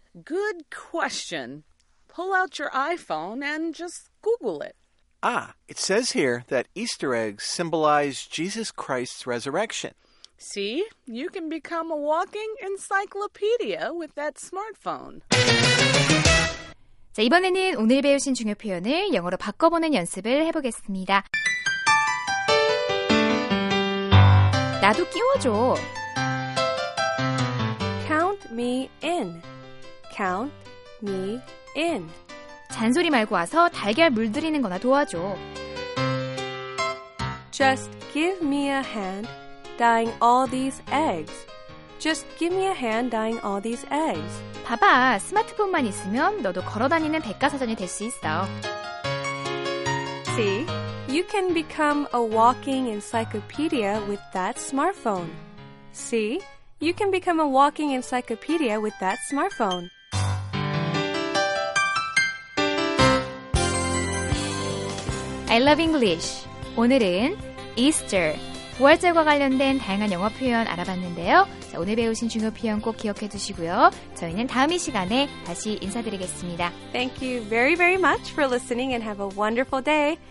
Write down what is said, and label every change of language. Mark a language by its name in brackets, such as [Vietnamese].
[English] Good question. Pull out your iPhone and just Google it. Ah, it says here that Easter eggs symbolize Jesus Christ's resurrection. See, you can become a walking encyclopedia with that smartphone. [Korean] 자, 이번에는 오늘 배우신 중요 표현을 영어로 바꿔보는 연습을 해보겠습니다. 나도 끼워줘. [English] Count me in. Count me in. [Korean] 잔소리 말고 와서 달걀 물들이는 거나 도와줘. [English] Just give me a hand dyeing all these eggs. Just give me a hand dyeing all these eggs. [Korean] 봐봐, 스마트폰만 있으면 너도 걸어다니는 백과사전이 될 수 있어. [English] See, you can become a walking encyclopedia with that smartphone. See, you can become a walking encyclopedia with that smartphone. 'I love English. [Korean] 오늘은 Easter, 부활절과 관련된 다양한 영어 표현 알아봤는데요. 자, 오늘 배우신 중요 표현 꼭 기억해 두시고요. 저희는 다음 이 시간에 다시 인사드리겠습니다. [English] Thank you very, very much for listening and have a wonderful day.